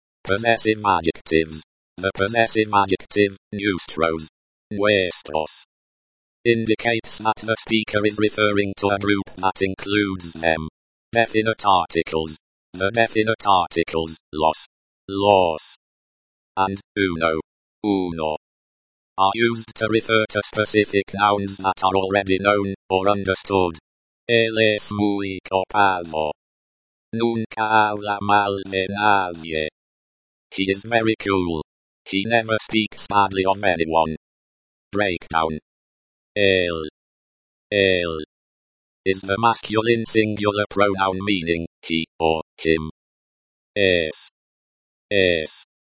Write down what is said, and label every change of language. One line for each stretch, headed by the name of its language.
English: Possessive adjectives. The possessive adjective, nuestros, nuestros, indicates that the speaker is referring to a group that includes them. Definite articles. The definite articles, los, los, and uno, uno, are used to refer to specific nouns that are already known or understood.
Spanish: Él es muy copado. Nunca habla mal de nadie.
English: He is very cool. He never speaks badly of anyone. Breakdown. Él. Él. Is the masculine singular pronoun meaning he or him. Es. Es.